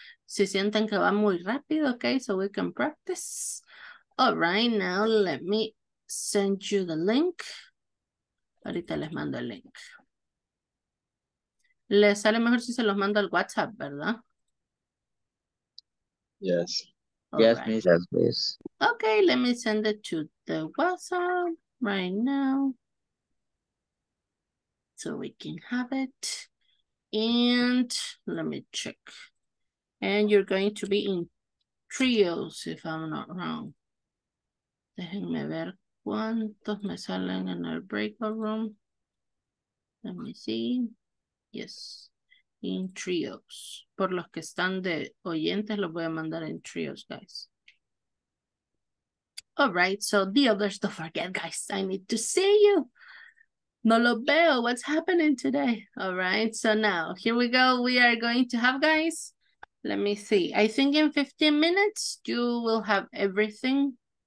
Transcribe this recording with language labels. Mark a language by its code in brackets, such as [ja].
[es] Si sienten que va muy rápido, [en] okay, so we can practice. All right. Now, let me send you the link. [es] Ahorita les mando el link. Les sale mejor si se los mando al WhatsApp, ¿verdad? [en] Yes. Yes, right. Miss. Yes, please. Okay, let me send it to the WhatsApp right now. So we can have it. And let me check. And you're going to be in trios, if I'm not wrong. [es] Déjenme ver cuántos me salen en el breakout room. [en] Let me see. Yes, in trios. [es] Por los que están de oyentes, los voy a mandar en trios, guys. [en] All right, so the others, don't forget, guys. I need to see you. [es] No lo veo. [en] What's happening today? All right, so now, here we go. We are going to have, guys, let me see. I think in 15 minutes, you will have everything.